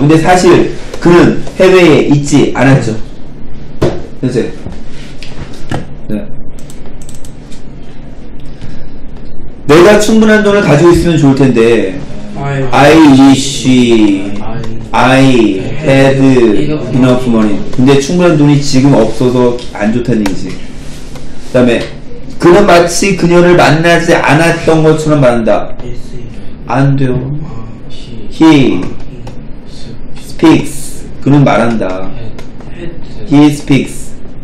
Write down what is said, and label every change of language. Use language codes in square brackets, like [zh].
[ko] 근데 사실 그는 해외에 있지 않았죠. 됐지? 네. 내가 충분한 돈을 가지고 있으면 좋을 텐데. [en] I wish I had enough money. [ko] 근데 충분한 돈이 지금 없어서 안 좋다는 얘기지. 그 다음에 그는 마치 그녀를 만나지 않았던 것처럼 말한다. 안 돼요. [en] He speaks. [ko] 그는 말한다. He speaks.